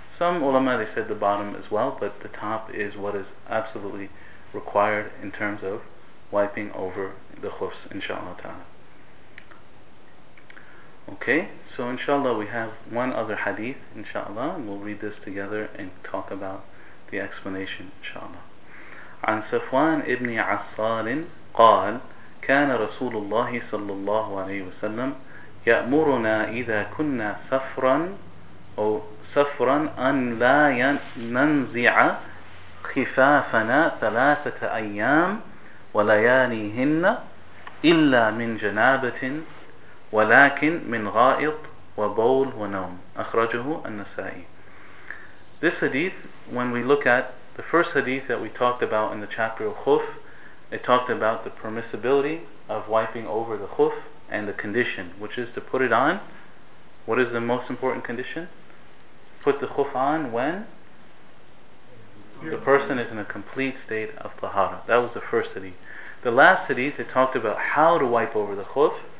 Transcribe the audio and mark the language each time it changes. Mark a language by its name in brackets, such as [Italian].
[English] Some ulama, they said the bottom as well, but the top is what is absolutely required in terms of wiping over the khufs, inshallah ta'ala. Okay, so inshallah we have one other hadith, inshallah, and we'll read this together and talk about the explanation, inshallah. [Arabic] عن صفوان ابن عصار قال كان رسول الله صلى الله عليه وسلم يأمرنا إذا كنا سفرا أو سفرا أن لا ننزع خفافنا ثلاثة أيام وليانيهن إلا من جنابة ولكن من غائط وبول ونوم أخرجه النسائي. [English] This hadith, when we look at the first hadith that we talked about in the chapter of khuf, it talked about the permissibility of wiping over the khuf and the condition, which is to put it on. What is the most important condition? Put the khuf on when the person is in a complete state of tahara. That was the first hadith. The last hadith, it talked about how to wipe over the khuf.